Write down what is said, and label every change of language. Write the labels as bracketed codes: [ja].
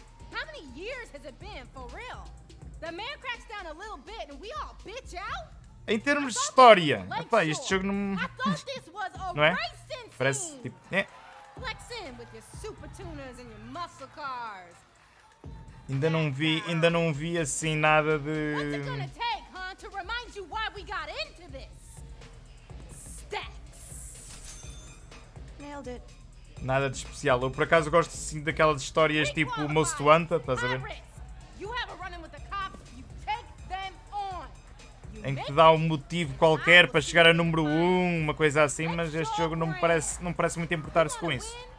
[en] How many years has it been, for real? The man cracks down a little bit and we all bitch out? [pt] Em termos de história, opa, este jogo não não é? Parece tipo, né? [en] Flexing with your super tuners and your muscle cars. [pt] Ainda não vi assim nada de... [en] What's it gonna take, huh, to remind you why we got into this? Stacks. Nailed it. [pt] Nada de especial. Eu por acaso gosto assim daquelas histórias tipo Most Wanted, estás a ver? [en] You have a run-in with the cops, you take them on. [pt] Em que dá um motivo qualquer para chegar a número 1, uma coisa assim, mas este jogo não parece muito importar-se com isso.